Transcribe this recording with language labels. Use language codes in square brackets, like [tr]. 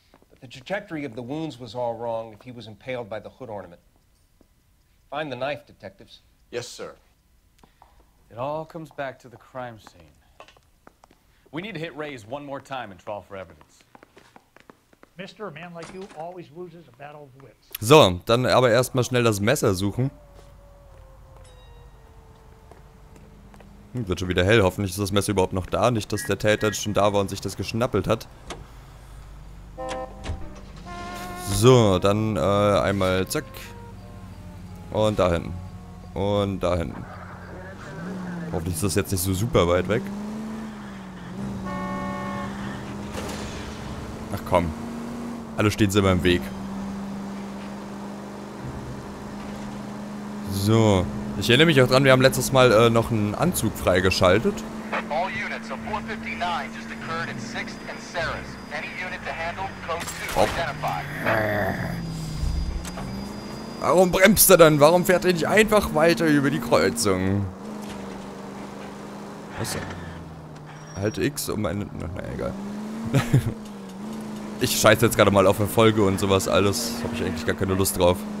[en] But the trajectory of the wounds was all wrong if he was impaled by the hood ornament. Find the knife, detectives. Yes, sir. It all comes back to the crime scene. We need to hit Ray's one more time and trawl for evidence. Mister, a man like you always loses a battle of wits. [de] So, dann aber erstmal schnell das Messer suchen. Wird schon wieder hell. Hoffentlich ist das Messer überhaupt noch da. Nicht, dass der Täter schon da war und sich das geschnappelt hat. So, dann einmal zack. Und da hinten. Und da hinten. Hoffentlich ist das jetzt nicht so super weit weg. Ach komm. Alle stehen sie immer im Weg. So. Ich erinnere mich auch dran, wir haben letztes Mal noch einen Anzug freigeschaltet. [en] All units of 459 just occurred in 6th and Saris. Any unit to handle, code 2 identified. [de] Warum bremst er dann? Warum fährt er nicht einfach weiter über die Kreuzung? Was? Halte X, um einen. Na egal. Ich scheiße jetzt gerade mal auf Erfolge und sowas alles. Habe ich eigentlich gar keine Lust drauf.